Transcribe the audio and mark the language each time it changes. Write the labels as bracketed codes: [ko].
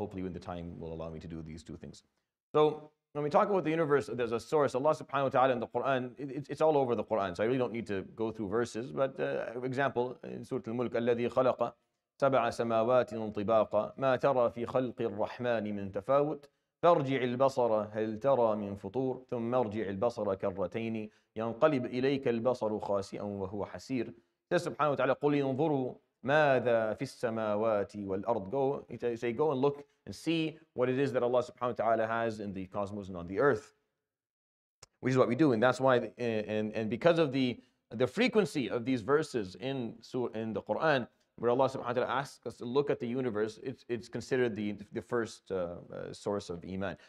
[en] Hopefully, when the time will allow me to do these two things. So when we talk about the universe, there's a source, Allah subhanahu wa ta'ala in the Qur'an, it's all over the Qur'an, so I really don't need to go through verses, but example, in Surah Al-Mulk, [ar] الَّذِي خَلَقَ سَبْعَ سَمَاوَاتٍ طِبَاقًا مَا تَرَى فِي خَلْقِ الرَّحْمَنِ مِنْ تَفَاوُتٍ فَارْجِعِ الْبَصَرَ هَلْ تَرَى مِنْ فُطُورٍ ثُمَّ ارْجِعِ الْبَصَرَ كَرَّتَيْنِ يَنْقَلِبْ إِلَيْكَ الْبَصَرُ خَاسِئًا وَهُوَ حَسِيرٌ. [en] Says subhanahu wa ta'ala, [ar] قُلْ يَنْظُرُوا مَاذَا فِي السَّمَاوَاتِ وَالْأَرْضِ. [en] Go, you say, go and look and see what it is that Allah subhanahu wa ta'ala has in the cosmos and on the earth, which is what we do. And that's why, and because of the frequency of these verses in the Qur'an, where Allah subhanahu wa ta'ala asks us to look at the universe, it's considered the first source of iman.